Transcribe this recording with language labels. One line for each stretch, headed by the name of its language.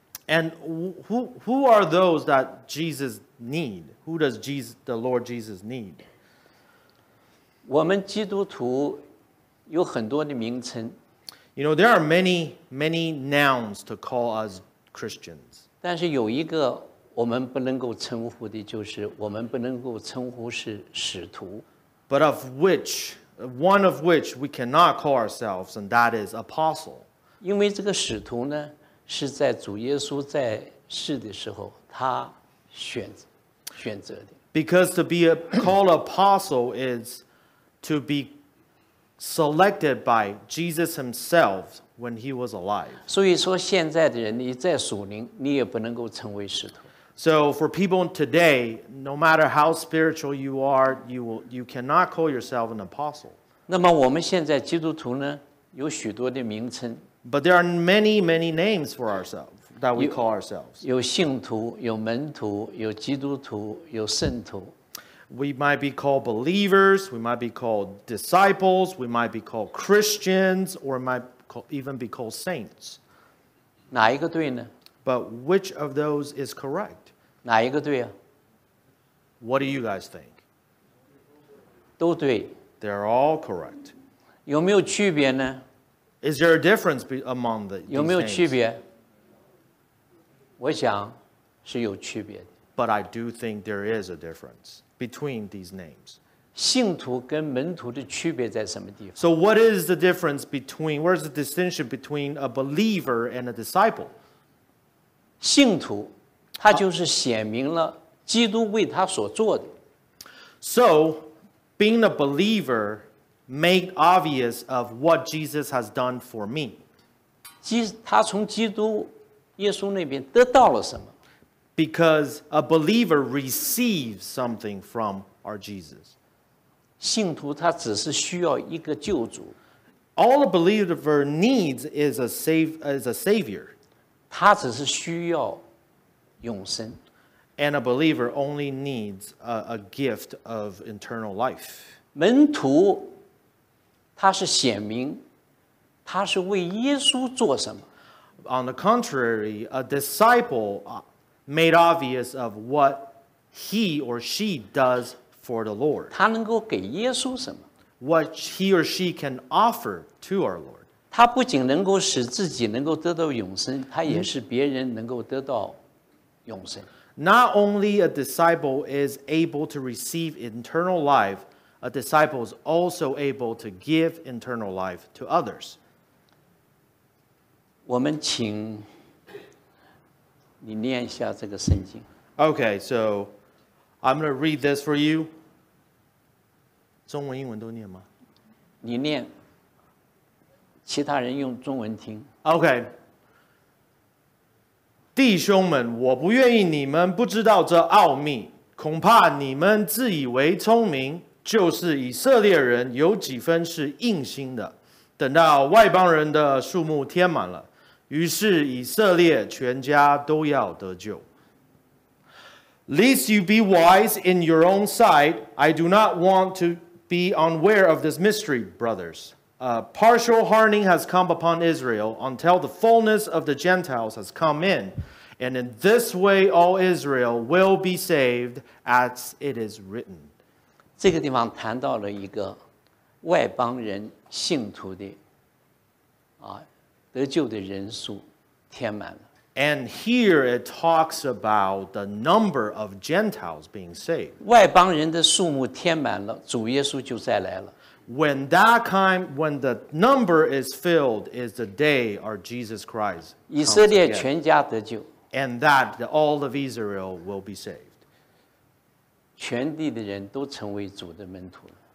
English: And who are those that Jesus need? Who does Jesus, the Lord Jesus need?
Chinese: 我们基督徒有很多的名称。
English: You know, there are many, many nouns to call us Christians.
Chinese: 但是有一个我们不能够称呼的，就是我们不能够称呼是使徒。
English: But of which, one of which we cannot call ourselves, and that is apostle.
Chinese: 因为这个使徒呢，是在主耶稣在世的时候他选择的。
English: Because to be called apostle is to be selected by Jesus himself when he was alive.
Chinese: 所以说现在的人，你在属灵你也不能够成为使徒。
English: So for people today, no matter how spiritual you are, you cannot call yourself an apostle.
Chinese: 那么我们现在基督徒呢，有许多的名称。
English: But there are many, many names for ourselves that we call ourselves.
Chinese: 有信徒，有门徒，有基督徒，有圣徒。
English: We might be called believers, we might be called disciples, we might be called Christians, or might even be called saints.
Chinese: 哪一个对呢？
English: But which of those is correct?
Chinese: 哪一个对啊？
English: What do you guys think?
Chinese: 都对。
English: They're all correct.
Chinese: 有没有区别呢？
English: Is there a difference among the names?
Chinese: 有没有区别？我想是有区别的。
English: But I do think there is a difference between these names.
Chinese: 信徒跟门徒的区别在什么地方？
English: So what is the difference between, where's the distinction between a believer and a disciple?
Chinese: 信徒，他就是显明了基督为他所做的。
English: So being a believer,made obvious of what Jesus has done for me.
Chinese: 他从基督耶稣那边得到了什么？
English: Because a believer receives something from our Jesus.
Chinese: 信徒他只是需要一个救主。
English: All a believer needs is a savior.
Chinese: 他只是需要永生。
English: And a believer only needs a gift of eternal life.
Chinese: 门徒他是显明他是为耶稣做什么。
English: On the contrary, a disciple made obvious of what he or she does for the Lord.
Chinese: 他能够给耶稣什么。
English: What he or she can offer to our Lord.
Chinese: 他不仅能够使自己能够得到永生，他也是别人能够得到永生。
English: Not only a disciple is able to receive eternal life,A disciple is also able to give eternal life to others.
Chinese: 我们请你念一下这个圣经。
English: Okay, so I'm going to read this for you.
Chinese: 中文英文都念吗？你念，其他人用中文听。
English: Okay.
Chinese: 弟兄们，我不愿意你们不知道这奥秘，恐怕你们自以为聪明，就是以色列人有几分是硬心的，等到外邦人的数目填满了，于是以色列全家都要得救。
English: Lest you be wise in your own sight, I do not want to be unaware of this mystery, brothers. A partial hardening has come upon Israel until the fullness of the Gentiles has come in, and in this way all Israel will be saved, as it is written.
Chinese: 这个地方谈到了一个外邦人信徒的得救的人数填满了。
English: And here it talks about the number of Gentiles being saved.
Chinese: 外邦人的数目填满了, 主耶稣就再来了。
English: When that time, when the number is filled, is the day our Jesus Christ comes again.
Chinese: 以色列全家得救。
English: And that all of Israel will be saved.
Chinese: 全地的人都成为主的门徒了。